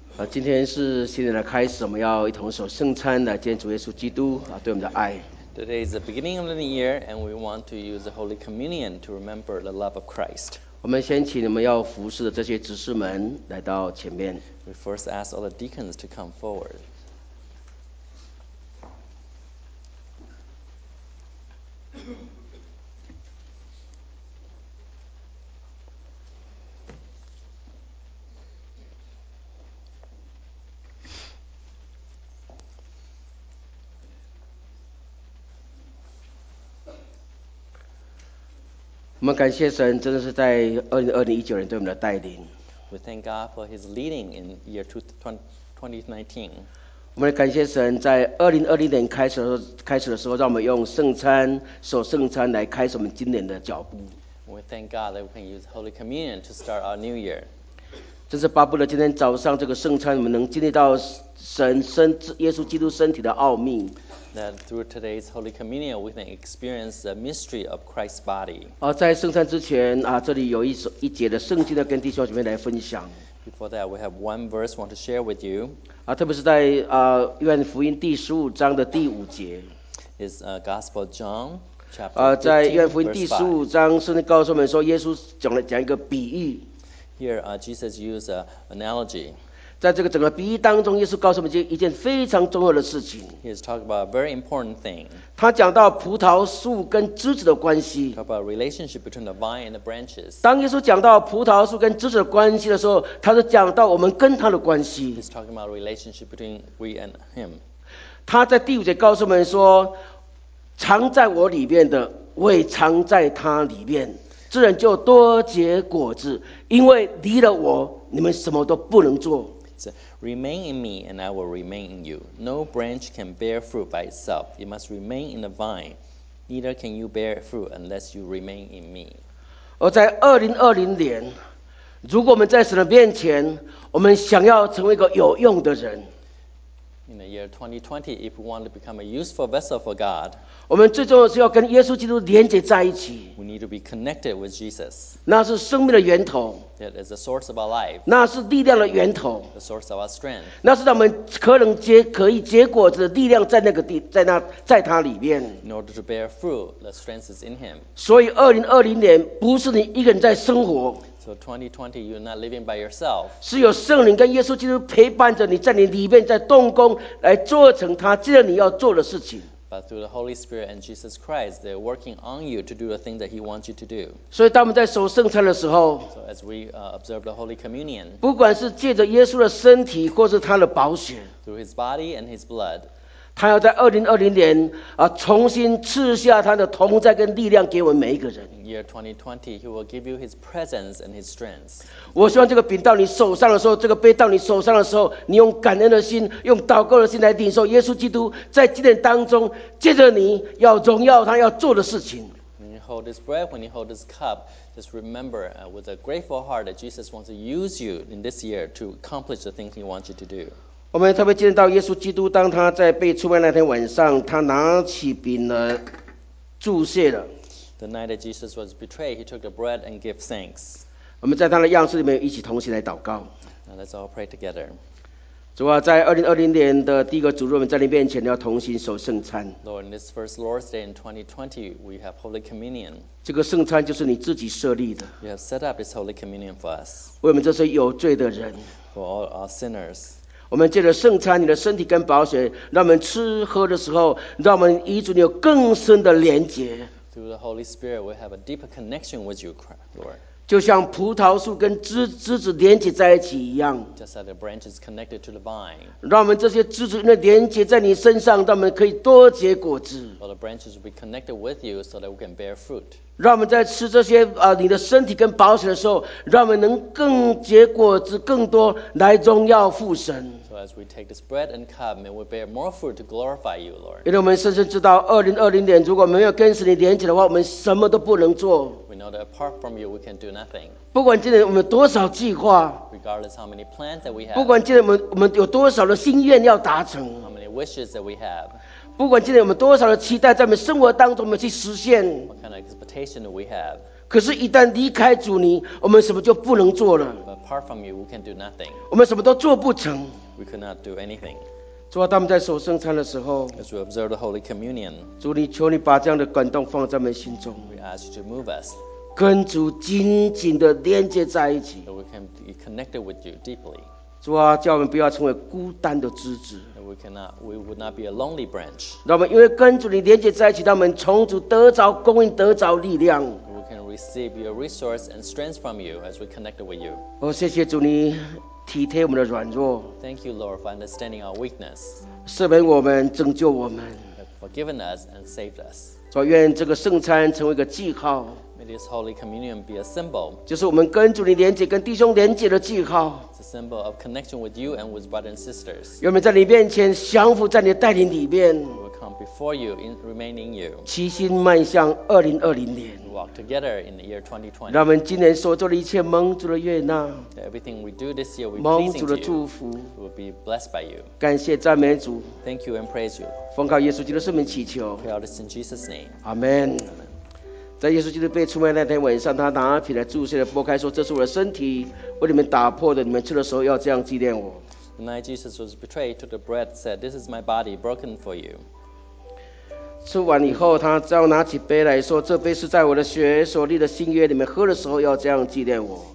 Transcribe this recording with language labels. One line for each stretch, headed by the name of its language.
Chinese: 今天是新年的开始，我们要一同守圣餐来见主耶稣基督对我们的爱。
English: Today is the beginning of the new year, and we want to use the Holy Communion to remember the love of Christ.
Chinese: 我们先请你们要服侍的这些执事们来到前面。
English: We first ask all the deacons to come forward.
Chinese: 我们感谢神，真的是在2019年对我们的带领。
English: We thank God for His leading in year
Chinese: 2019. 我们感谢神，在2020年开始的时候，让我们用圣餐、守圣餐来开始我们今年的脚步。
English: We thank God that we can use Holy Communion to start our new year.
Chinese: 真是巴不得今天早上这个圣餐，我们能经历到神身耶稣基督身体的奥秘。
English: That through today's Holy Communion, we can experience the mystery of Christ's body.
Chinese: 在圣餐之前啊，这里有一节的圣经要跟弟兄姊妹来分享。
English: Before that, we have one verse want to share with you.
Chinese: 特别是在约翰福音第十五章的第五节。
English: Is Gospel John chapter
Chinese: 在约翰福音第十五章，圣经告诉我们说，耶稣讲一个比喻。
English: Here, Jesus used an analogy.
Chinese: 在这个整个比喻当中，耶稣告诉我们一件非常重要的事情。
English: He is talking about a very important thing.
Chinese: 他讲到葡萄树跟枝子的关系。
English: Talk about relationship between the vine and the branches.
Chinese: 当耶稣讲到葡萄树跟枝子的关系的时候，他是讲到我们跟他的关系。
English: He is talking about relationship between we and him.
Chinese: 他在第五节告诉我们说，藏在我里面的，我也藏在他里面，这人就多结果子，因为离了我，你们什么都不能做。
English: Remain in me, and I will remain in you. No branch can bear fruit by itself. It must remain in the vine. Neither can you bear fruit unless you remain in me.
Chinese: 在2020年，如果我们在神的面前，我们想要成为一个有用的人。
English: In the year 2020, if we want to become a useful vessel for God,
Chinese: 我们最重要是要跟耶稣基督连接在一起。
English: We need to be connected with Jesus.
Chinese: 那是生命的源头。
English: That is the source of our life.
Chinese: 那是力量的源头。
English: The source of our strength.
Chinese: 那是让我们可以结果子的力量在他里面。
English: In order to bear fruit, the strength is in Him.
Chinese: 所以2020年不是你一个人在生活。
English: So 2020, you're not living by yourself.
Chinese: 是有圣灵跟耶稣基督陪伴着你，在你里面在动工，来做成他既然你要做的事情。
English: But through the Holy Spirit and Jesus Christ, they're working on you to do the thing that He wants you to do.
Chinese: 所以当我们在守圣餐的时候
English: ，So as we observe the Holy Communion,
Chinese: 不管是借着耶稣的身体，或是他的宝血
English: ，Through His body and His blood,
Chinese: 他要在2020年重新赐下他的同在跟力量给我们每一个人。
English: Year 2020, He will give you His presence and His strength.
Chinese: 我希望这个饼到你手上的时候，这个杯到你手上的时候，你用感恩的心，用祷告的心来领受耶稣基督在今天当中借着你要荣耀他要做的事情。
English: When you hold this bread, when you hold this cup, just remember with a grateful heart that Jesus wants to use you in this year to accomplish the things He wants you to do.
Chinese: 我们特别见到耶稣基督，当他在被出卖那天晚上，他拿起饼来祝谢了。
English: The night that Jesus was betrayed, he took the bread and gave thanks.
Chinese: 我们在他的样式里面一起同心来祷告。
English: Now let's all pray together.
Chinese: 主啊，在2020年的第一个主日，我们在你面前要同心守圣餐。
English: Lord, in this first Lord's Day in 2020, we have Holy Communion.
Chinese: 这个圣餐就是你自己设立的。
English: You have set up this Holy Communion for us.
Chinese: 为我们这些有罪的人。
English: For all our sinners.
Chinese: 我们借着圣餐，你的身体跟宝血，让我们吃喝的时候，让我们与主有更深的连结。
English: Through the Holy Spirit, we have a deeper connection with you, Lord.
Chinese: 就像葡萄树跟枝子连接在一起一样。
English: Just like the branches connected to the vine.
Chinese: 让我们这些枝子的连接在你身上，让我们可以多结果子。
English: All the branches will be connected with you, so that we can bear fruit.
Chinese: 让我们在吃这些你的身体跟宝血的时候，让我们能更结果子更多来荣耀父神。
English: So as we take this bread and cup, may we bear more fruit to glorify you, Lord.
Chinese: 因为我们深深知道，2020年如果没有跟神你连接的话，我们什么都不能做。
English: We know that apart from you, we can do nothing.
Chinese: 不管今年我们有多少计划
English: ，Regardless how many plans that we have.
Chinese: 不管今年我们有多少的心愿要达成
English: ，How many wishes that we have.
Chinese: 不管今天我们多少的期待在我们生活当中我们去实现
English: What kind of expectation do we have?
Chinese: 可是一旦离开主你我们什么就不能做了
English: But apart from you, we can do nothing.
Chinese: 我们什么都做不成
English: We could not do anything.
Chinese: 主啊当我们在守圣餐的时候
English: As we observe the Holy Communion,
Chinese: 主你求你把这样的感动放在我们心中
English: We ask you to move us.
Chinese: 跟主紧紧地连接在一起
English: That we can be connected with you deeply.
Chinese: 主啊叫我们不要成为孤单的枝子
English: We would not be a lonely branch.
Chinese: 让我们因为跟主你连接在一起，让我们从主得着供应，得着力量。
English: We can receive your resource and strength from you as we connect with you.
Chinese: 谢谢主你体贴我们的软弱。
English: Thank you, Lord, for understanding our weakness.
Chinese: 赦免我们，拯救我们。
English: Forgiven us and saved us.
Chinese: 主啊，愿这个圣餐成为一个记号。
English: May this Holy Communion be a symbol.
Chinese: 就是我们跟主你连接，跟弟兄连接的记号。
English: It's a symbol of connection with you and with brothers and sisters.
Chinese: 愿我们在你面前降服，在你的带领里面。
English: We will come before you, remaining you.
Chinese: 齐心迈向2020年。
English: Walk together in the year 2020.
Chinese: 让我们今年所做的一切蒙主的悦纳。
English: Everything we do this year, we pleasing to you.
Chinese: 蒙主的祝福。
English: Will be blessed by you.
Chinese: 感谢赞美主。
English: Thank you and praise you.
Chinese: 奉靠耶稣基督圣名祈求。
English: Pray all this in Jesus' name. Amen. Amen.
Chinese: 在耶稣基督被出卖那天晚上，他拿起来祝谢的擘开说，这是我的身体，为你们打破的，你们吃的时候要这样纪念我。
English: The night Jesus was betrayed, took the bread, said, this is my body broken for you.
Chinese: 吃完以后，他再拿起杯来说，这杯是在我的血所立的新约，你们喝的时候要这样纪念我。